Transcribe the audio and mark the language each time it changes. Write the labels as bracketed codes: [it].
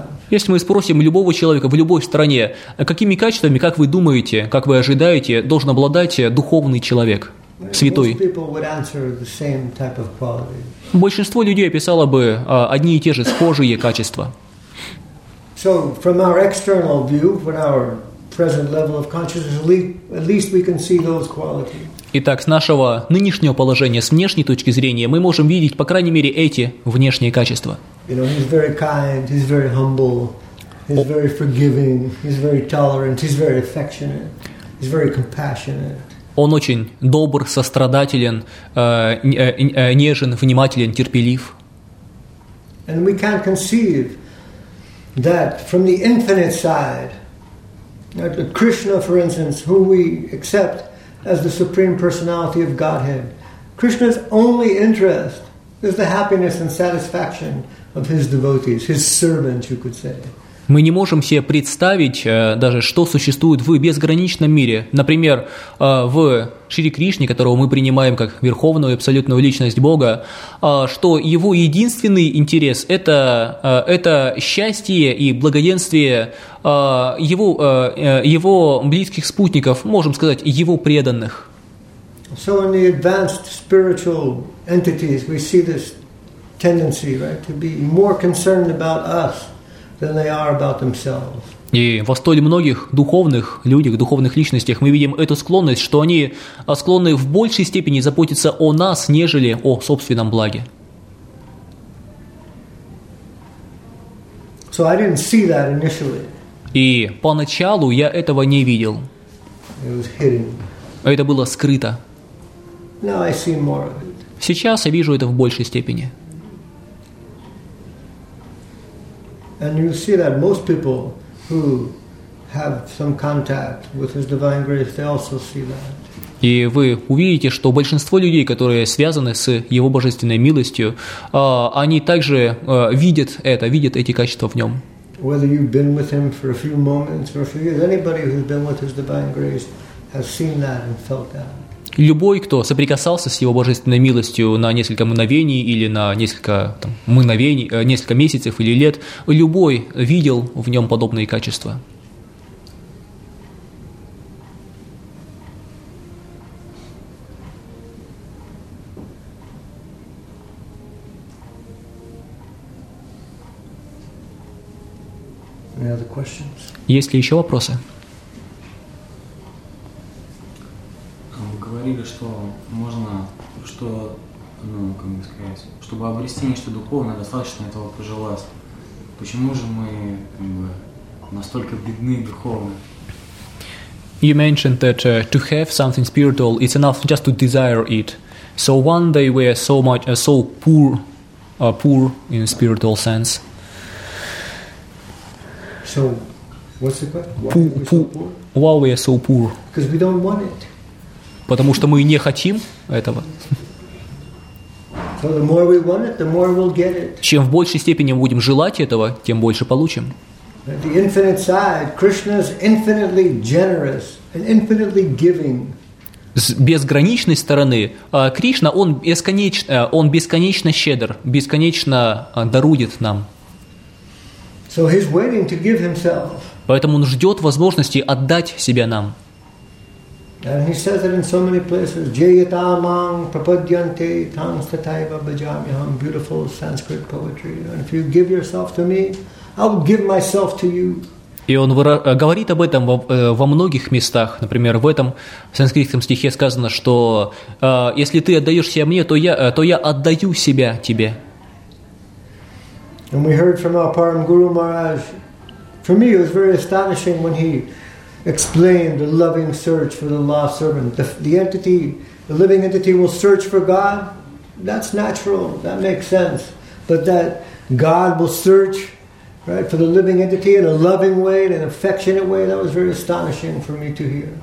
[ru] Если мы спросим любого человека в любой стране, какими качествами, как вы думаете, как вы ожидаете, должен обладать духовный человек? Святой. [en] Most people would answer the same type of quality. [ru] Большинство людей описало бы одни и те же схожие качества. [en] So, from our external view, from our present level of consciousness, at least we can see those qualities. [ru] Итак, с нашего нынешнего положения, с внешней точки зрения, мы можем видеть, по крайней мере, эти внешние качества. [en] You know, he's very kind, he's very humble, he's very forgiving, he's very tolerant, he's very affectionate, he's very compassionate. [ru] Он очень добр, сострадателен, нежен, внимателен, терпелив. [en] And we can't conceive that from the infinite side, that Krishna, for instance, who we accept as the supreme personality of Godhead, Krishna's only interest is the happiness and satisfaction of his devotees, his servants, you could say. [ru] Мы не можем себе представить даже, что существует в безграничном мире. Например, в Шри Кришне, которого мы принимаем как верховную и абсолютную личность Бога, что его единственный интерес – это счастье и благоденствие его близких спутников, можем сказать, его преданных. [en] So in the advanced spiritual entities we see this tendency, right, to be more concerned about us than they are about themselves. [ru] И во столь многих духовных людях, духовных личностях мы видим эту склонность, что они склонны в большей степени заботиться о нас, нежели о собственном благе. [en] So I didn't see that initially. [ru] И поначалу я этого не видел. [en] It was hidden. [ru] Это было скрыто. [en] Now I see more of it. [ru] Сейчас я вижу это в большей степени. [en] And you see that most people who have some contact with His Divine Grace, they also see that. [ru] И вы увидите, что большинство людей, которые связаны с Его Божественной милостью, они также видят это, видят эти качества в Нем. [en] Whether you've been with Him for a few moments or a few years, anybody who's been with His Divine Grace has seen that and felt that. [ru] Любой, кто соприкасался с Его Божественной милостью на несколько мгновений или на несколько, там, мгновений, несколько месяцев или лет, любой видел в Нем подобные качества. [en] Any other questions? [ru] Есть ли еще вопросы? Говорили, что можно, что, ну, как бы сказать, чтобы обрести нечто духовное, достаточно этого пожелать. Почему же мы, как бы, настолько бедны духовно? [en] You mentioned that to have something spiritual, it's enough just to desire it. So one day we are so much, so poor, poor in spiritual sense. So, what's the question? Why are we so poor? Because we don't want it. [ru] Потому что мы не хотим этого. [en] So the more we want it, the more we'll get it. [ru] Чем в большей степени мы будем желать этого, тем больше получим. [en] The infinite side, Krishna's infinitely generous and infinitely giving. [ru] С безграничной стороны Кришна, он бесконечно щедр, бесконечно дарует нам. [en] So he's waiting to give himself. [ru] Поэтому он ждет возможности отдать себя нам. [en] And he says it in so many places. [sa] Jayata mang prapadyante tam stataiva bhajamyaham. [en] Beautiful Sanskrit poetry. And if you give yourself to me, I will give myself to you. [ru] И он говорит об этом во многих местах. Например, в этом санскритском стихе сказано, что если ты отдаешь себя мне, то я отдаю себя тебе. [en] And we heard from our Param Guru Maharaj For me, it was very astonishing when he explained the loving search for the lost servant. The entity, the living entity, will search for God. That's natural. That makes sense. But that God will search, right, for the living entity in a loving way, in an affectionate way, that was very astonishing for me to hear.